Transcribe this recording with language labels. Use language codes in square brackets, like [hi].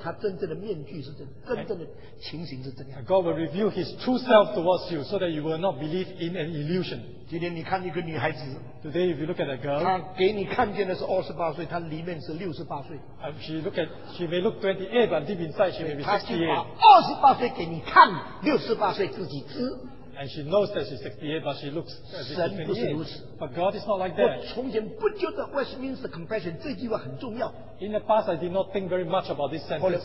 [zh] 让你信来信去信错了，不知道他真正的面具是真，真正的情形是怎样。 [en] God will reveal His true self towards you so that you will not believe in an illusion. [zh] 今天你看一个女孩子, [en] today if you look at a girl, [zh] 她给你看见的是28岁, 她里面是68岁。 [en] She may look 28, but deep inside she may be 68. [zh] 28岁给你看, 68岁自己知。 [en] And she knows that she's 68, but she looks as if she's 28. But God is not like that. In the past, I did not think very much about this sentence.